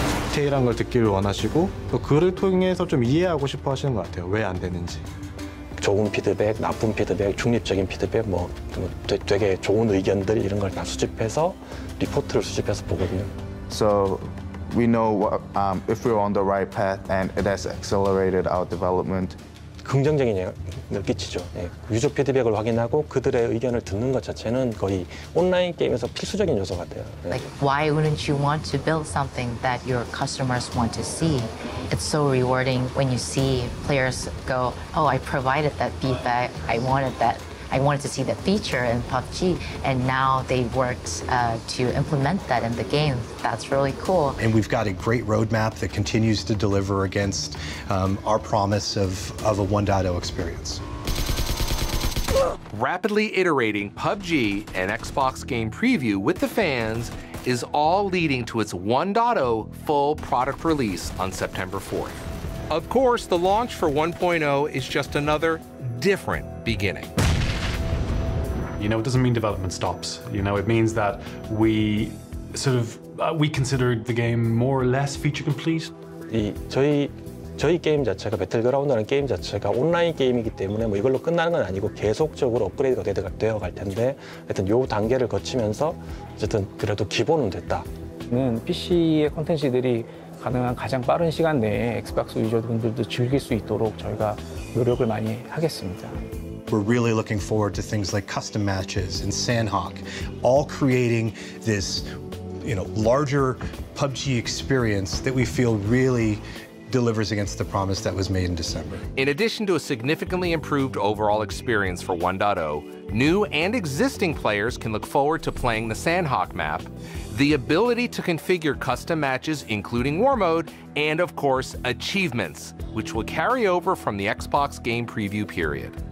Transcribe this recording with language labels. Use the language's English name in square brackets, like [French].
[Korean] 디테일한 걸 듣기를 원하시고 또 글을 통해서 좀 이해하고 싶어 하시는 것 같아요. 왜 안 되는지. 좋은 피드백, 나쁜 피드백, 중립적인 피드백, 뭐 되게 좋은 의견들 이런 걸 다 수집해서 리포트를 수집해서 보거든요. [English] So we know if we're on the right path and it has accelerated our development. [Korean] 긍정적인 영향을 끼치죠. 네. 유저 피드백을 확인하고 그들의 의견을 듣는 것 자체는 거의 온라인 게임에서 필수적인 요소 같아요. 네. [English] Like why wouldn't you want to build something that your customers want to see? It's so rewarding when you see players go, oh, I provided that feedback. I wanted to see that feature in PUBG, and now they've worked to implement that in the game. That's really cool. And we've got a great roadmap that continues to deliver against our promise of a 1.0 experience. Rapidly iterating PUBG and Xbox game preview with the fans is all leading to its 1.0 full product release on September 4th. Of course, the launch for 1.0 is just another different beginning. You know, it doesn't mean development stops. You know, it means that we consider the game more or less feature complete. [Korean] 저희 게임 자체가 배틀그라운드라는 게임 자체가 온라인 게임이기 때문에 뭐 이걸로 끝나는 건 아니고 계속적으로 업그레이드가 되어 갈 텐데 하여튼 요 단계를 거치면서 어쨌든 그래도 기본은 됐다. 는 PC의 콘텐츠들이 가능한 가장 빠른 시간 내에 엑스박스 유저분들도 즐길 수 있도록 저희가 노력을 많이 하겠습니다. [English] We're really looking forward to things like custom matches and Sandhawk, all creating this, you know, larger PUBG experience that we feel really delivers against the promise that was made in December. In addition to a significantly improved overall experience for 1.0, new and existing players can look forward to playing the Sandhawk map, the ability to configure custom matches, including War Mode, and of course, achievements, which will carry over from the Xbox game preview period.